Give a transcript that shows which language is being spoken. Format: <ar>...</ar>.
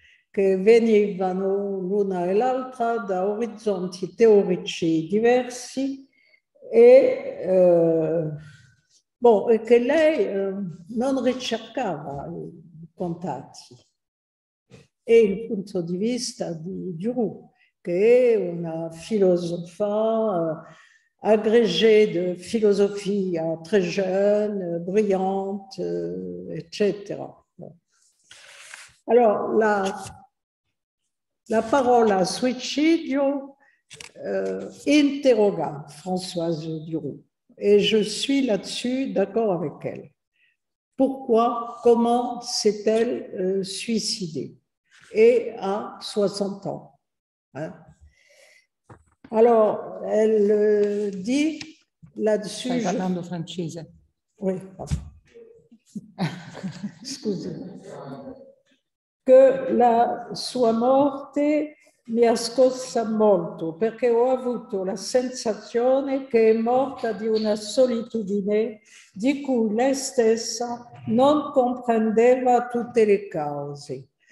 <it>che venivano l'una e l'altra da orizzonti teorici diversi e che lei non ricercava i contatti e il punto di vista di Duroux, che è una filosofa aggregée di filosofia,</it> <fr>très jeune, brillante,</fr> <it>eccetera. Allora, la parola suicidio interroga Françoise Duroux, e</it> <fr>je suis là-dessus d'accord avec elle. Pourquoi, comment s'est-elle suicidée? Et à 60 ans. Alors, elle dit là-dessus.</fr> <it>Stai parlando francese.</it> <fr>Oui.</fr> <it>Scusi. Che la sua morte mi ha scossa molto, perché ho avuto la sensazione che è morta di una solitudine di cui lei stessa non comprendeva tutte le cause.</it>